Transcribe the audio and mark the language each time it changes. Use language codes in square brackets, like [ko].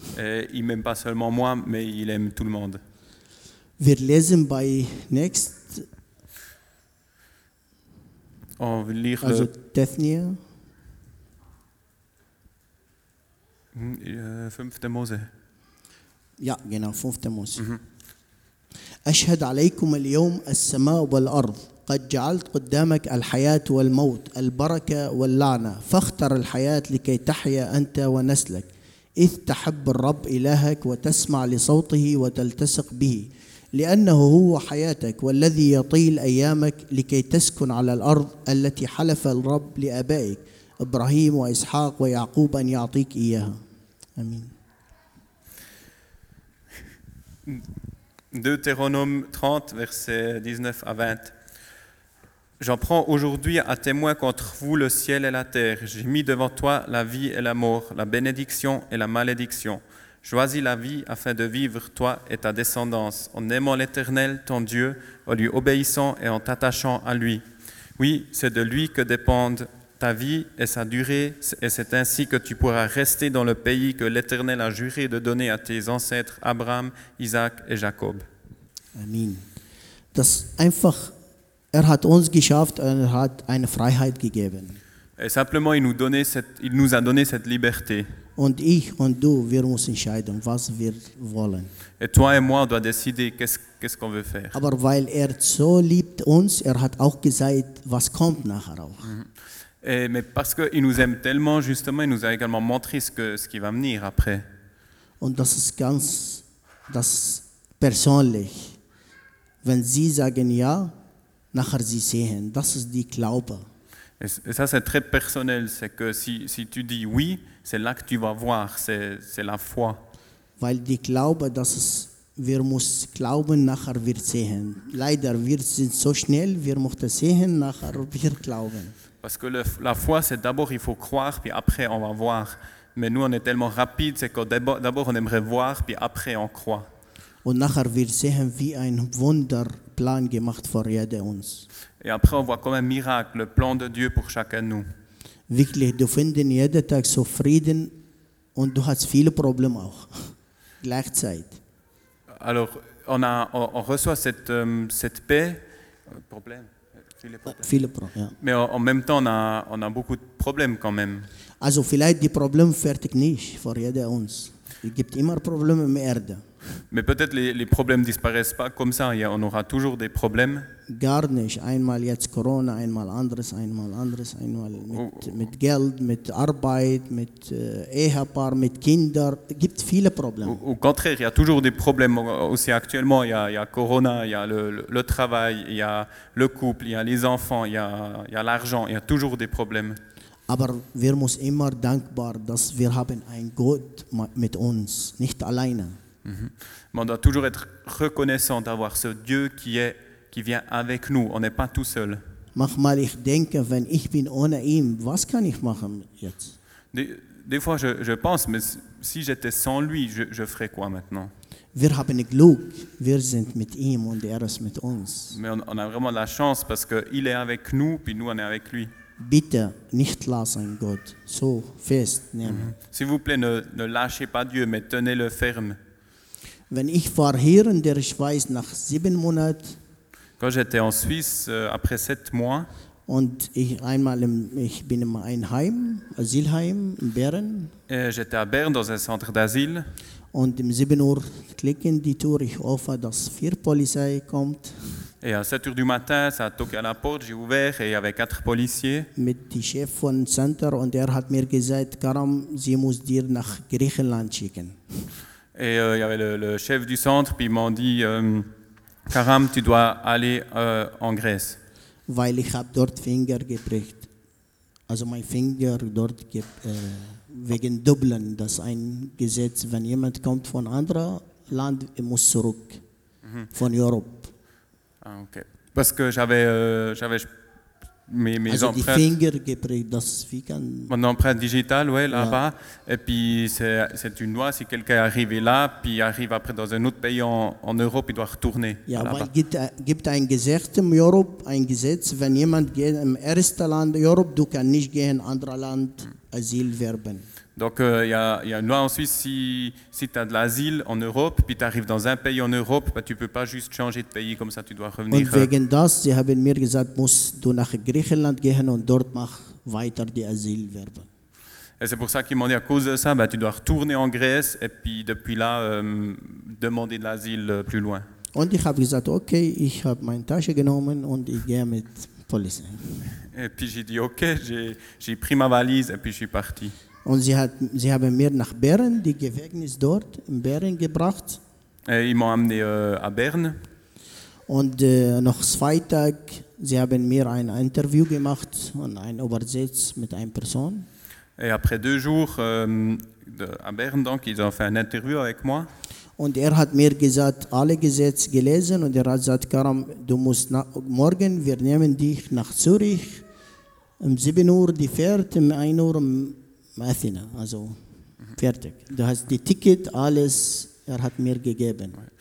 [fr] Et il m'aime pas seulement moi, mais il aime tout le monde. [de] Wir lesen bei next. [fr] On va lire [de] also Tethnia. 5. Mose. Ja, genau, 5. Mose. [ar] أشهد عليكم اليوم السماء والأرض. قد جعلت قدامك الحياة والموت البركة واللعنة فاختر الحياة لكي تحيا أنت ونسلك إذ تحب الرب إلهك وتسمع لصوته وتلتصق به لأنه هو حياتك والذي يطيل أيامك لكي تسكن على الأرض التي حلف الرب لأبائك إبراهيم وإسحاق ويعقوب أن يعطيك إياها آمين [fr] Deutéronome 30 verset 19 à 20 J'en prends aujourd'hui à témoin contre vous le ciel et la terre. J'ai mis devant toi la vie et la mort, la bénédiction et la malédiction. Choisis la vie afin de vivre, toi et ta descendance, en aimant l'Éternel, ton Dieu, en lui obéissant et en t'attachant à lui. Oui, c'est de lui que dépendent ta vie et sa durée, et c'est ainsi que tu pourras rester dans le pays que l'Éternel a juré de donner à tes ancêtres Abraham, Isaac et Jacob. Amen. [de] Das einfach hat uns geschafft und hat eine Freiheit gegeben. [fr] Et simplement, il nous a donné cette liberté. [de] Und ich und du, wir müssen entscheiden, was wir wollen. [fr] Et toi et moi, on doit décider qu'est-ce qu'on veut faire. [de] Aber weil so liebt uns, hat auch gesagt, was kommt nachher auch. [fr] Mais parce qu'il nous aime tellement, justement, il nous a également montré ce qui va venir après. [de] Und das ist ganz das persönlich. Wenn sie sagen ja, nachher sie sehen, das ist die Glaube. [fr] Et ça c'est très personnel, c'est que si tu dis oui, c'est là que tu vas voir, c'est la foi. [de] Weil die Glaube, dass es, wir müssen glauben, nachher wir sehen. Leider, wir sind so schnell, wir möchten sehen, nachher wir glauben. [fr] Parce que la foi, c'est d'abord il faut croire, puis après on va voir. Mais nous on est tellement rapide, c'est que d'abord on aimerait voir, puis après on croit. [de] Und nachher wir sehen wie ein Wunderplan gemacht für jeden uns. [fr] Et après on voit comme un miracle le plan de Dieu pour chacun de nous. [de] Wirklich, du findest jeden Tag so Frieden und du hast viele Probleme auch gleichzeitig. [fr] Alors on reçoit cette paix, problème, [de] viele Probleme. Ja. [fr] Mais en même temps on a beaucoup de problèmes quand même. [de] Also vielleicht die Probleme fertig nicht für jeden uns. Es gibt immer Probleme auf Erde. [fr] Mais peut-être les problèmes disparaissent pas comme ça. On aura toujours des problèmes. [de] Gar nicht. Einmal jetzt Corona, einmal anderes, einmal mit Geld, mit Arbeit, mit Ehepaar, mit Kinder. Gibt viele Probleme. [fr] Au contraire, il y a toujours des problèmes aussi actuellement. Il y a Corona, il y a le travail, il y a le couple, il y a les enfants, il y a l'argent. Il y a toujours des problèmes. [de] Aber wir müssen immer dankbar, dass wir haben ein Gott mit uns, nicht alleine. [fr] Mais on doit toujours être reconnaissant d'avoir ce Dieu qui vient avec nous. On n'est pas tout seul. [de] Manchmal ich denke, wenn ich bin ohne ihm, was kann ich machen jetzt? [fr] Des fois, je pense, mais si j'étais sans lui, je ferais quoi maintenant? [de] Wir haben Glück. Wir sind mit ihm und ist mit uns. [fr] Mais on a vraiment la chance parce qu'il est avec nous, puis nous, on est avec lui. [de] Bitte nicht lassen Gott so fest nehmen. [fr] S'il vous plaît, ne lâchez pas Dieu, mais tenez-le ferme. [de] Wenn ich war hier in der Schweiz nach 7 Monaten. [fr] Quand j'étais en Suisse après 7 mois. [de] Und ich bin in ein Heim, Asylheim in Bern. [fr] J'étais à Bern dans un centre d'asile. [de] Und um 7 Uhr klicken die Tür, ich hoffe, dass 4 Polizei kommt. [fr] Et à 7 heures du matin, ça a toqué à la porte, j'ai ouvert et il y avait 4 policiers. [de] Mit dem Chef von Center und er hat mir gesagt, Karam, sie muss dir nach Griechenland schicken. [fr] Et il y avait le chef du centre, puis ils m'ont dit, Karam, tu dois aller en Grèce. [de] Weil ich habe dort Finger gebracht. Also mein Finger dort wegen Dublin, das ist ein Gesetz, wenn jemand kommt von anderen Land, muss zurück von Europa. [fr] Ah, okay. Parce que j'avais mes empreintes. Mon empreinte digitale, ouais, là-bas. Yeah. Et puis c'est une loi si quelqu'un est arrivé là, puis arrive après dans un autre pays en Europe, il doit retourner. [de] Ja, weil gibt ein Gesetz in Europe, ein Gesetz, wenn jemand geht im ersten Land Europe, du kannst nicht gehen anderer Land Asyl werben. [fr] Donc il y a une loi en Suisse, si tu as de l'asile en Europe, puis tu arrives dans un pays en Europe, bah, tu ne peux pas juste changer de pays comme ça, tu dois revenir. [de] Und wegen das, sie haben mir gesagt, musst du nach Griechenland gehen und dort mach weiter die Asylwerbung. [fr] Et c'est pour ça qu'ils m'ont dit, à cause de ça, bah, tu dois retourner en Grèce et puis depuis là, demander de l'asile plus loin. [de] Und ich habe gesagt, okay, ich habe meine Tasche genommen und ich gehe mit Polizei. [fr] Et puis j'ai dit, okay, j'ai pris ma valise et puis je suis parti. [de] Und sie haben mir nach Bern, die Gefängnis dort in Bern gebracht. [fr] Et ils m'ont amené à Bern. [de] Und noch 2 Tage, sie haben mir ein Interview gemacht und ein Übersetz mit einer Person. [fr] Et après 2 jours à Bern, donc, ils ont fait un interview avec moi. [de] Und er hat mir gesagt, alle Gesetze gelesen und er hat gesagt, Karam, du musst morgen, wir nehmen dich nach Zürich. Um 7 Uhr die Fährt, um 1 Uhr Athena, also fertig. Du hast die Ticket, alles, er hat mir gegeben.